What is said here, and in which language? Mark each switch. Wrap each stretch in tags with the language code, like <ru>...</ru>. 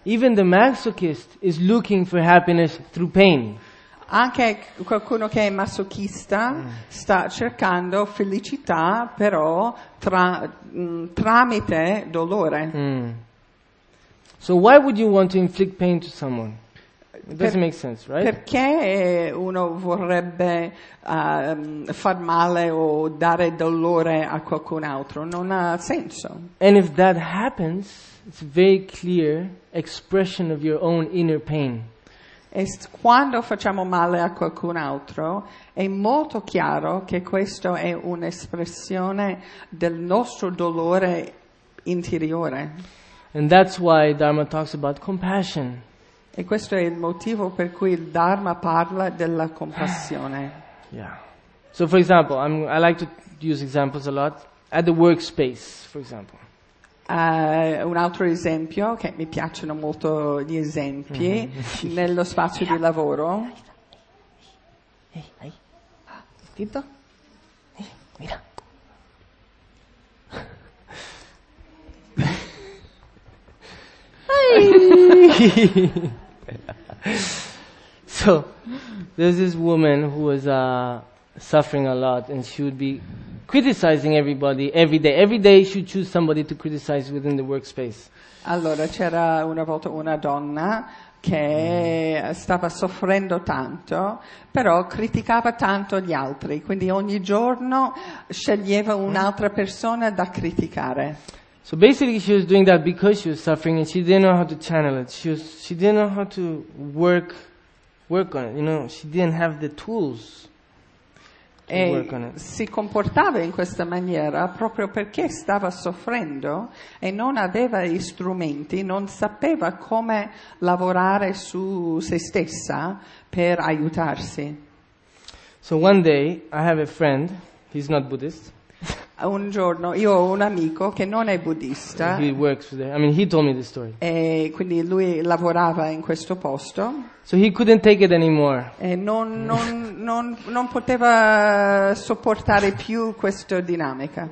<en>Even the masochist is looking for happiness through pain.</en> <it>Anche qualcuno che è masochista sta cercando felicità, però tramite dolore.</it> <en>So why would you want to inflict pain to someone? It doesn't make sense, right?</en> <it>Perché uno vorrebbe far male o dare dolore a qualcun altro? Non ha senso.</it> <en>And if that happens, it's a very clear expression of your own inner pain.</en> <it>E quando facciamo male a qualcun altro, è molto chiaro che questo è un'espressione del nostro dolore interiore.</it> <en>And that's why Dharma talks about compassion.</en> <it>E questo è il motivo per cui il Dharma parla della compassione.</it> <en>Yeah. So for example, I like to use examples a lot. At the workspace, for example.</en> <it>Un altro esempio, che mi piacciono molto gli esempi, mm-hmm. nello spazio di lavoro. Hey, hey. Tito? Hey, mira. Hey.</it> <en>So, there's this woman who was suffering a lot, and she would be criticizing everybody every day. Every day she would choose somebody to criticize within the workspace.</en> <it>Allora, c'era una volta una donna che stava soffrendo tanto, però criticava tanto gli altri. Quindi ogni giorno sceglieva un'altra persona da criticare.</it> <en>So basically she was doing that because she was suffering and she didn't know how to channel it. She didn't know how to work on it. You know, she didn't have the tools to work on it.</en> <it>Si comportava in questa maniera proprio perché stava soffrendo e non aveva gli strumenti, non sapeva come lavorare su se stessa per aiutarsi.</it> <en>So one day I have a friend, he's not Buddhist.</en> <it>Un giorno io ho un amico che non è buddista.</it> <en>He works there. I mean, he told me the story.</en> <it>E quindi lui lavorava in questo posto.</it> <en>So he couldn't take it anymore.</en> <it>E non poteva sopportare più questa dinamica.</it>